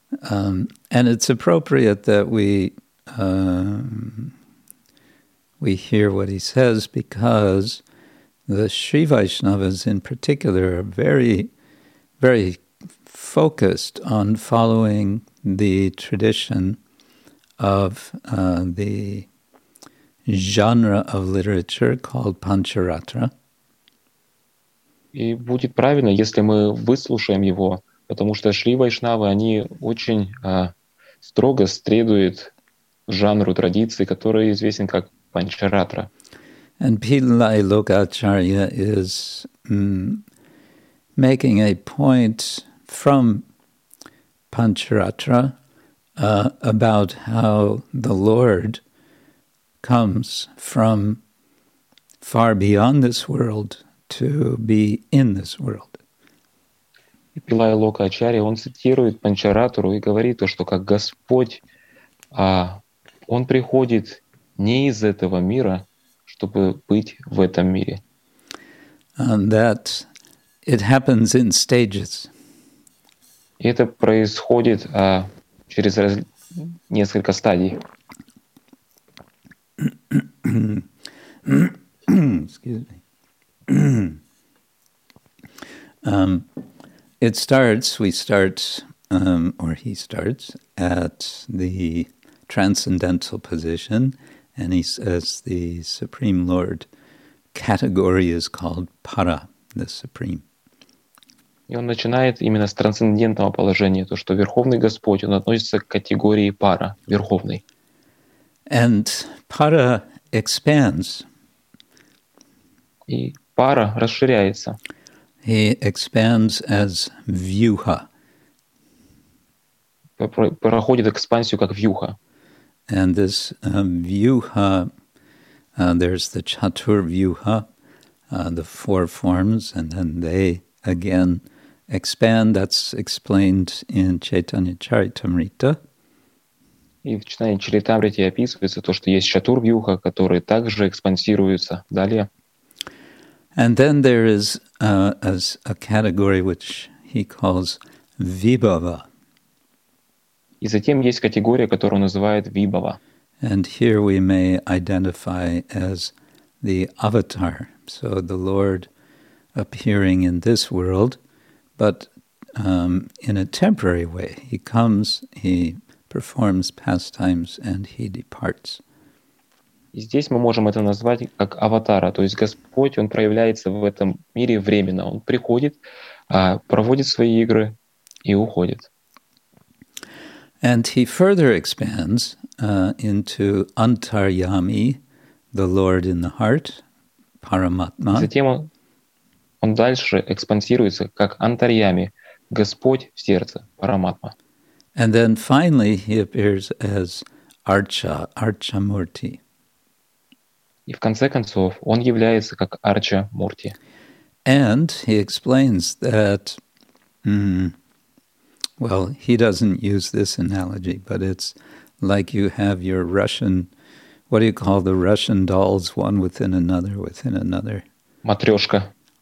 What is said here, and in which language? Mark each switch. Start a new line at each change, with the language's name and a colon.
English: And it's appropriate that we hear what he says, because the Sri Vaishnavas in particular are very, very focused on following the tradition of the genre of literature called Pancharatra.
Russian: И будет правильно, если мы выслушаем его, потому что Шри Вайшнавы, они очень строго следуют жанру традиции, который известен как Панчаратра.
English: And Pillai Lokacharya is making a point from Pancharatra about how the Lord comes from far beyond this world to be in this world.
Russian: Pillai Lokacharya, он цитирует Панчаратру и говорит то, что как Господь, он приходит не из этого мира, чтобы быть в этом мире.
English: And that it happens in stages.
Russian: И это происходит через несколько стадий.
English: Excuse me. It starts, he starts at the transcendental position, and he says the Supreme Lord category is called Para, the Supreme.
Russian: И он начинает именно с трансцендентного положения, то, что Верховный Господь, он относится к категории Para, Верховный.
English: And Para expands.
Russian: И пара расширяется.
English: He expands as vyuha.
Russian: Проходит экспансию как вьюха.
English: And this vyuha, there's the chatur vyuha, the four forms, and then they again expand. That's explained in Chaitanya Charitamrita.
Russian: И в Чайтанья Чаритамрите описывается то, что есть чатур вьюха, который также экспансируется далее.
English: And then there is as a category which he calls vibhava.
Russian: И затем есть категория, которую он называет вибава.
English: And here we may identify as the avatar, so the Lord appearing in this world, but in a temporary way. He comes, he performs pastimes, and he departs.
Russian: И здесь мы можем это назвать как аватара, то есть Господь, Он проявляется в этом мире временно. Он приходит, проводит свои игры и уходит.
English: And he further expands into Antaryami, the Lord in the heart, Paramatma.
Russian: Затем он дальше экспансируется как Антарьями, Господь в сердце, Параматма.
English: And then finally he appears as Archa, Archamurti.
Russian: И в конце концов он является как Арчамурти.
English: And he explains that well, he doesn't use this analogy, but it's like you have your Russian, what do you call the Russian dolls, one within another?
Russian: Матрёшка.